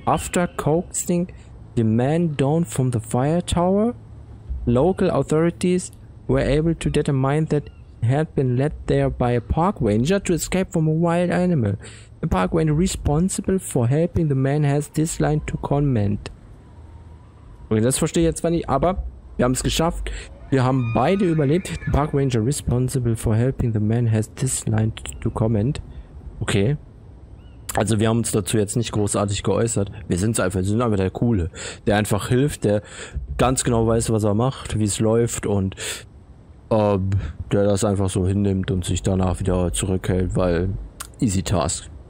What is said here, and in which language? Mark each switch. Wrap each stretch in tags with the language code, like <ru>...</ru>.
<en>After coaxing the man down from the fire tower, local authorities were able to determine that had been led there by a park ranger to escape from a wild animal. The park ranger responsible for helping the man has declined to comment.</en> <de>Okay, das verstehe ich jetzt zwar nicht, aber wir haben es geschafft. Wir haben beide überlebt.</de> <en>The park ranger responsible for helping the man has declined to comment.</en> <de>Okay. Also wir haben uns dazu jetzt nicht großartig geäußert. Wir sind einfach der Coole, der einfach hilft, der ganz genau weiß, was er macht, wie es läuft und der das einfach so hinnimmt und sich danach wieder zurückhält, weil</de> <en>easy task.</en>